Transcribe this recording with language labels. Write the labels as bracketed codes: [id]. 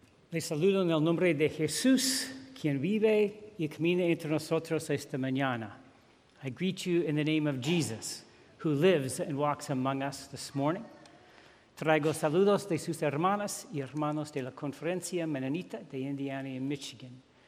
[es] Les saludo en el nombre de Jesús, quien vive y camina entre nosotros esta mañana. [en] I greet you in the name of Jesus, who lives and walks among us this morning. [es] Traigo saludos de sus hermanas y hermanos de la Conferencia Menonita de Indiana y Michigan.